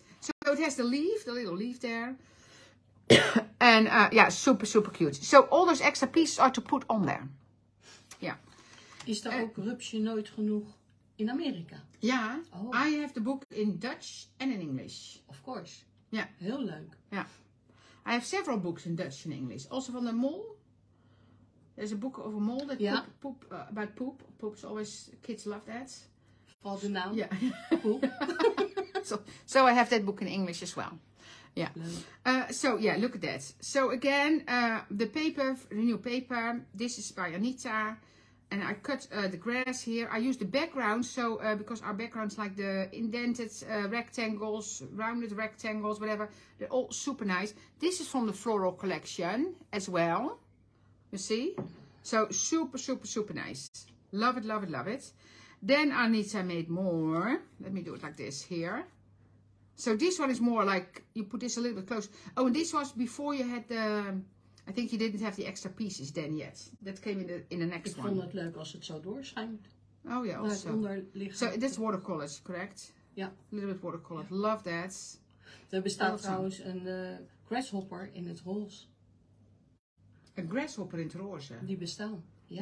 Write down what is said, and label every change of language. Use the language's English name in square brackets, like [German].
[English] So, it has the leaf, the little leaf there. And, super, super cute. So, all those extra pieces are to put on there. [Dutch] Ja. [English] Yeah. [Dutch] Is er ook rupsje nooit genoeg in Amerika? Ja. Yeah. [English] Oh. I have the book in Dutch and in English. Of course. [Dutch] Ja. Yeah. Heel leuk. Ja. [English] Yeah. I have several books in Dutch and English. Also [Dutch] van de mol. [English] There's a book over mol. That yeah. About poop. Poop's always, kids love that. [Dutch] Val de naam. Ja. Poop. [English] So I have that book in English as well. Ja. Yeah. Look at that. So again, the paper, the new paper. This is by Anita. And I cut the grass here. I use the background, so because our background's like the indented rectangles, rounded rectangles, whatever. They're all super nice. This is from the floral collection as well. You see? So super, super, super nice. Love it, love it, love it. Then Anita made more. Let me do it like this here. So this one is more like, you put this a little bit closer. Oh, and this was before you had the... I think you didn't have the extra pieces then yet. That came in the next one. [Dutch] Ik vond het leuk als het zo doorschijnt. [English] Oh ja, also. So that's watercolors, correct? [Dutch] Ja. [English] A little bit watercolors. Yeah. Love that. [Dutch] Er bestaat trouwens een grasshopper in het roze. Een grasshopper in het roze? Die bestaan. Ja.